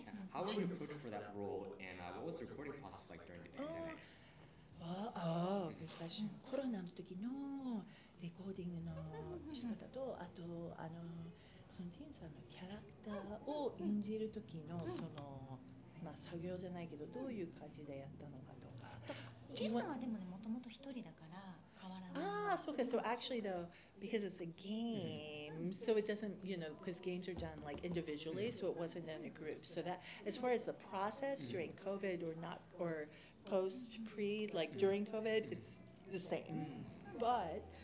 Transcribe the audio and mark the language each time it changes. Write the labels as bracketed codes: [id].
[en] How were you approached for that role, and what was the recording process like during the pandemic? Oh, good question. [ja] Corona の時のレコーディングの仕方と、あとあのそのジンさんのキャラクターを演じる時のそのまあ作業じゃないけどどういう感じでやったのかとか。ジンはでもねもともと一人だから。 [en] So actually though, because it's a game, so it doesn't, you know, because games are done like individually, so it wasn't in a group. So that, as far as the process during COVID or not, or post, pre, like during COVID, it's the same. But,